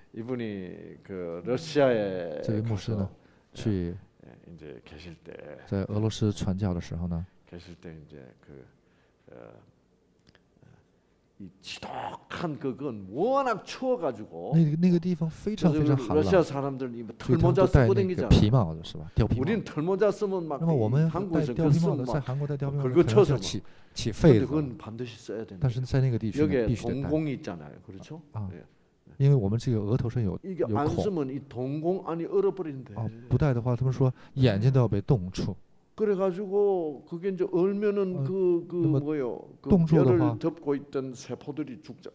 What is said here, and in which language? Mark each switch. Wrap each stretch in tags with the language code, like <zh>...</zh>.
<ko>이분이그러시아에</ko> <zh>这位牧师呢，去</zh> <ko>이제계실때</ko> <zh>在俄罗斯传教的时候呢，</zh> <ko>계실때이제그이지독한그건워낙추워가지고</ko> <zh>那个地方非常非常寒冷。</zh> <ko>러시아사람들이털모자쓰고댕기잖아</ko> <zh>皮帽子是吧？貂皮帽。</zh> <ko>우리는털모자쓰면막</ko> <zh>那么我们</zh> <ko>한국에서</ko> <zh>貂皮帽子在韩国戴貂皮帽子，</zh> <ko>그거쳐서</ko> <zh>起起痱子。</zh> <ko>그건반드시써야되는</ko> <zh>但是在那个地区</zh> <ko>여기동공이있잖아요그렇죠</ko> <zh>아因为我们这个额头上有孔。</zh> <ko>이게안쓰면이동공안이얼어버린대</ko> <zh>啊，不戴的话，他们说眼睛都要被冻住。</zh> <ko>그래가지고그게이제얼면은그그뭐요그뼈를덮고있던세포들이죽자</ko>